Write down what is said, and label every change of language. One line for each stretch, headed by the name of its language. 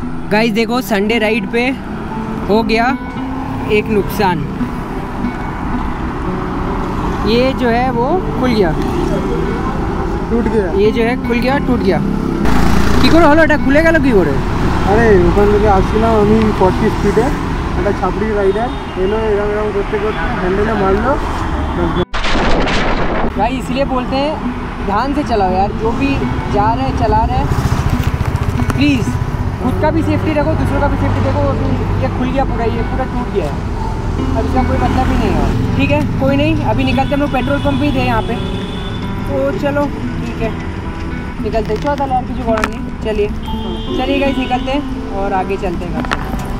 Hindi: Guys देखो Sunday ride पे हो गया एक नुकसान, ये जो है वो खुल गया, टूट गया, ये जो है खुल गया टूट गया,
Bangla: की करो हलो এটা খুলে গেল কি করে আরে ওখানে লোকে আসলে আমি 40 স্পিডে একটা ছাপড়ি রাইডার এলো এরাম এরাম করতে করতে হ্যান্ডেলে মারলো ভাই
Hindi: इसलिए बोलते हैं ध्यान से चलाओ यार, जो भी जा रहे चला रहे प्लीज खुद का भी सेफ्टी रखो दूसरों का भी सेफ्टी देखो, ये खुल गया पूरा, ये पूरा टूट गया है अभी का कोई मतलब ही नहीं है। ठीक है कोई नहीं, अभी निकलते हम लोग पेट्रोल पंप ही थे यहाँ पे, तो चलो ठीक है निकलते, चौथा लाल कुछ बड़ा नहीं, चलिए चलिए गाइस निकलते हैं और आगे चलते हैं।